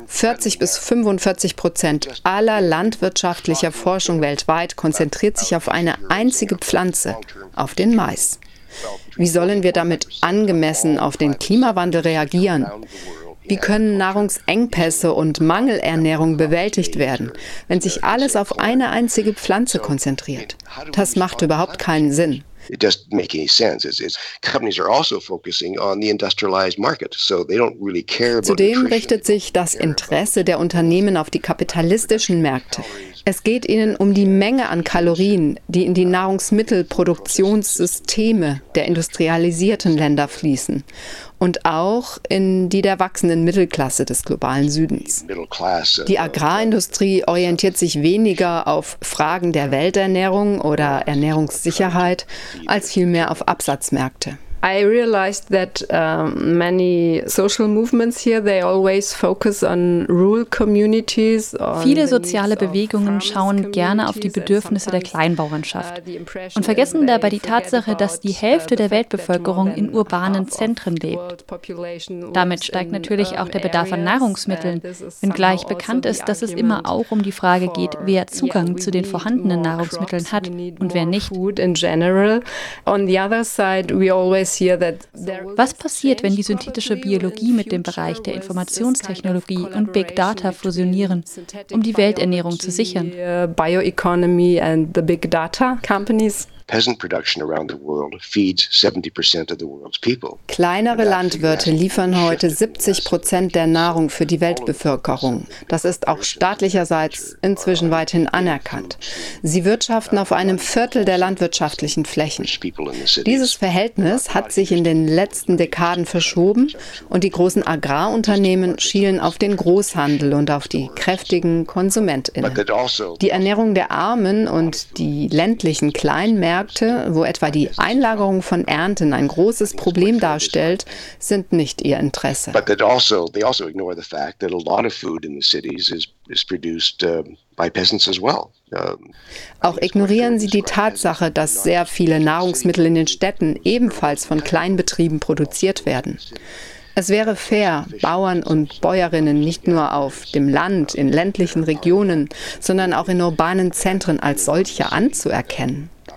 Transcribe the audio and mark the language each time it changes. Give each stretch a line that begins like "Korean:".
German: 40-45% aller landwirtschaftlicher Forschung weltweit konzentriert sich auf eine einzige Pflanze, auf den Mais. Wie sollen wir damit angemessen auf den Klimawandel reagieren? Wie können Nahrungsengpässe und Mangelernährung bewältigt werden, wenn sich alles auf eine einzige Pflanze konzentriert? Das macht überhaupt keinen Sinn.
English: It doesn't make any sense. Companies are also focusing on the industrialized market, so they don't really care about.
German: Zudem richtet sich das Interesse der Unternehmen auf die kapitalistischen Märkte. Es geht ihnen um die Menge an Kalorien, die in die Nahrungsmittelproduktionssysteme der industrialisierten Länder fließen und auch in die der wachsenden Mittelklasse des globalen Südens. Die Agrarindustrie orientiert sich weniger auf Fragen der Welternährung oder Ernährungssicherheit als vielmehr auf Absatzmärkte.
English: I realized that many social movements here, they always focus on rural communities.
German: Viele soziale Bewegungen schauen gerne auf die Bedürfnisse der Kleinbauernschaft und vergessen dabei die Tatsache, dass die Hälfte der Weltbevölkerung in urbanen Zentren lebt. Damit steigt natürlich auch der Bedarf an Nahrungsmitteln, wenngleich bekannt ist, dass es immer auch um die Frage geht, wer Zugang zu den vorhandenen Nahrungsmitteln hat und wer nicht.
English: On the other side, we always.
German: Was passiert, wenn die synthetische Biologie mit dem Bereich der Informationstechnologie und Big Data fusionieren, um die Welternährung zu sichern?
English: Bioeconomy and the Big Data companies. Peasant production around the world feeds 70% of the world's people.
German: Kleinere Landwirte liefern heute 70% der Nahrung für die Weltbevölkerung. Das ist auch staatlicherseits inzwischen weithin anerkannt. Sie wirtschaften auf einem Viertel der landwirtschaftlichen Flächen. Dieses Verhältnis hat sich in den letzten Dekaden verschoben und die großen Agrarunternehmen schielen auf den Großhandel und auf die kräftigen KonsumentInnen. Die Ernährung der Armen und die ländlichen Kleinmärkte Märkte, wo etwa die Einlagerung von Ernten ein großes Problem darstellt, sind nicht ihr Interesse.
English: But they also ignore the fact that a lot of food in the cities is produced by peasants as well.
German: Auch ignorieren sie die Tatsache, dass sehr viele Nahrungsmittel in den Städten ebenfalls von Kleinbetrieben produziert werden. Es wäre fair, Bauern und Bäuerinnen nicht nur auf dem Land, in ländlichen Regionen, sondern auch in urbanen Zentren als solche anzuerkennen.